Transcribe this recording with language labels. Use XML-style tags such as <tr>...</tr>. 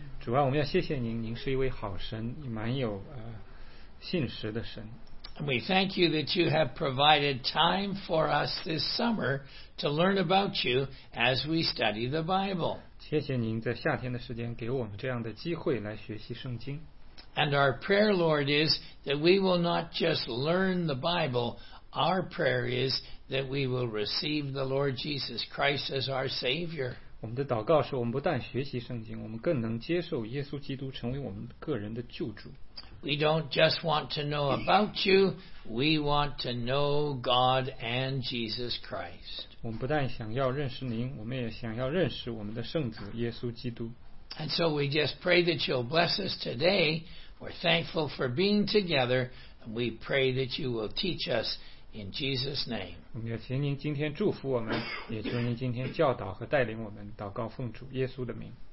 <zh>主啊，我们要谢谢您，您是一位好神，蛮有信实的神。</zh> <en>We thank you that you have provided time for us this summer to learn about you as we study the Bible.</en> <zh>谢谢您在夏天的时间给我们这样的机会来学习圣经。</zh> <en>And our prayer, Lord, is that we will not just learn the Bible. Our prayer is that we will receive the Lord Jesus Christ as our Savior.</en> <zh>我们的祷告是我们不但学习圣经，我们更能接受耶稣基督成为我们个人的救主。</zh> <en>We don't just want to know about you, we want to know God and Jesus Christ.</en> <zh>我们不但想要认识您，我们也想要认识我们的圣子耶稣基督。</zh> <en>And so we just pray that you'll bless us today. We're thankful for being together. And we pray that you will teach us in Jesus' name.</en> <zh>我们也请您今天祝福我们，也求您今天教导和带领我们，祷告奉主耶稣的名。</zh>